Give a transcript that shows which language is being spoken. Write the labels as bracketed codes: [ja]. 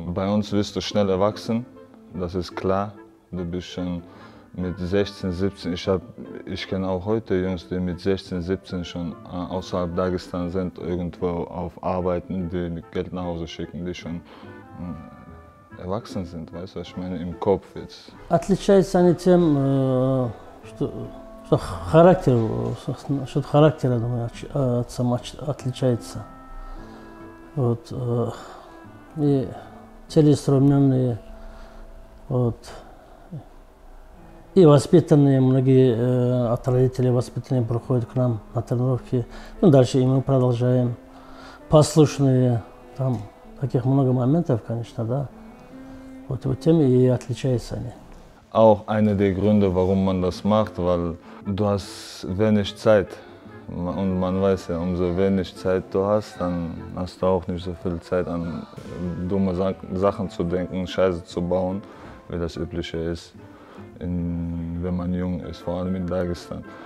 [de] Bei uns wirst du schnell erwachsen, das ist klar. Du bist schon mit 16, 17, ich kenne auch heute Jungs, die mit 16, 17 schon außerhalb Dagestan sind, irgendwo auf Arbeiten, die Geld nach Hause schicken, die schon erwachsen sind, weißt du, was ich meine, im Kopf jetzt. [ru] Отличается они тем, что характер, что характер, я думаю, от сама отличается. Вот и целеустремленные, вот и воспитанные многие от родителей воспитанные проходят к нам на тренировки. Ну дальше и мы продолжаем. Послушные, там таких много моментов, конечно, да. [de] Auch einer der Gründe, warum man das macht, weil du hast wenig Zeit. Und man weiß ja, umso wenig Zeit du hast, dann hast du auch nicht so viel Zeit, an dumme Sachen zu denken, Scheiße zu bauen, wie das Übliche ist, wenn man jung ist, vor allem in Dagestan.